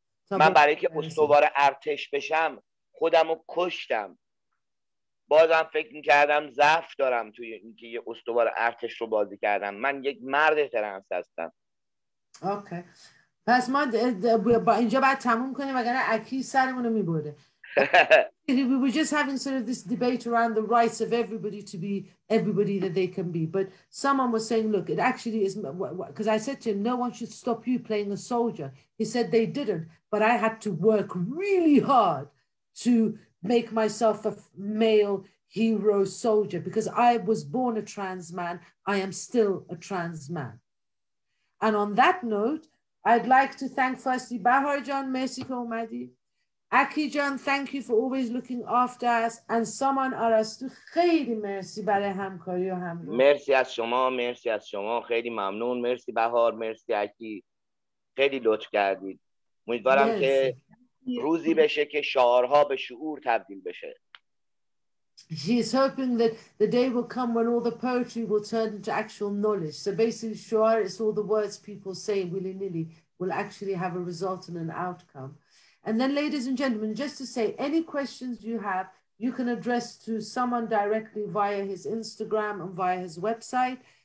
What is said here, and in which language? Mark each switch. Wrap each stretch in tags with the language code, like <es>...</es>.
<fa>من برای که استوار ارتش بشم خودم رو کشتم، بازم فکر میکردم ضعف دارم توی اینکه یه استوار ارتش رو بازی کردم. من یک مرد ترنس هستم. اوکی، پس ما با اینجا باید تموم کنیم وگرنه اکی سرمونو میبوره.</fa> <en>We were just having sort of this debate around the rights of everybody to be everybody that they can be. But someone was saying, look, it actually is, because I said to him, no one should stop you playing a soldier. He said they didn't, but I had to work really hard to make myself a male hero soldier because I was born a trans man. I am still a trans man. And on that note, I'd like to thank firstly Bahar John,</en> <fa>merci que omadi.</fa> <en>Aki John, thank you for always looking after us. And Saman Arastoo,</en> <fa>خیلی مرسی برای همکاری و همراهی. مرسی از شما، مرسی از شما، خیلی ممنون. مرسی بهار، مرسی اکی، خیلی لطف کردید. امیدوارم که روزی بشه که شعارها به شعور تبدیل بشه.</fa> <en>She's hoping that the day will come when all the poetry will turn into actual knowledge. So basically, shuar is all the words people say willy-nilly will actually have a result and an outcome. And then, ladies and gentlemen, just to say, any questions you have, you can address to someone directly via his Instagram and via his website.</en>